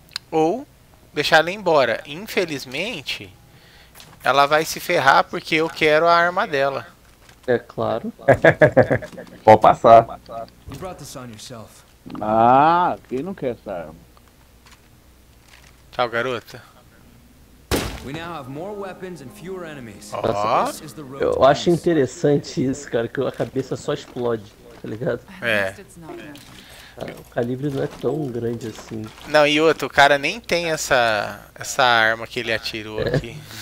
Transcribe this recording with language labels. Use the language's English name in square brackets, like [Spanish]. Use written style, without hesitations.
[Portuguese] Ou deixar ela ir embora. Infelizmente, ela vai se ferrar porque eu quero a arma dela. É claro. Pode passar. Ah, quem não quer essa arma? Tchau, garota. [English] We now have more weapons and fewer enemies. Oh. [Portuguese] Eu acho interessante isso, cara, que a cabeça só explode, tá ligado? É. O calibre não é tão grande assim. Não, e outro, o cara nem tem essa arma que ele atirou aqui.